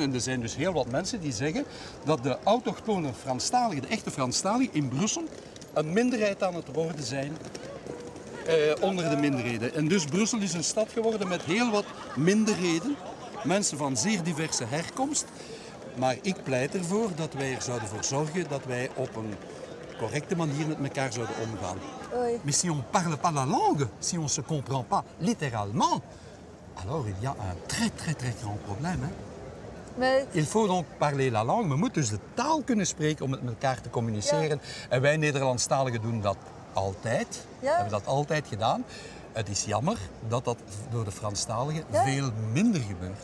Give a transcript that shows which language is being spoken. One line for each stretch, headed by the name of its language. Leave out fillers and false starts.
Dutch: En er zijn dus heel wat mensen die zeggen dat de autochtone Franstaligen, de echte Franstaligen in Brussel, een minderheid aan het worden zijn. Onder de minderheden. En dus Brussel is een stad geworden met heel wat minderheden. Mensen van zeer diverse herkomst. Maar ik pleit ervoor dat wij er zouden voor zorgen dat wij op een correcte manier met elkaar zouden omgaan.
French: Oui. Mais si on parle pas la langue, si on se comprend pas littéralement, alors il y a un très très très grand problème. Il faut donc parler la langue.
Dutch: We moeten dus de taal kunnen spreken om met elkaar te communiceren. Ja. En wij Nederlandstaligen doen dat. Altijd. Ja. We hebben dat altijd gedaan. Het is jammer dat dat door de Franstaligen veel minder gebeurt.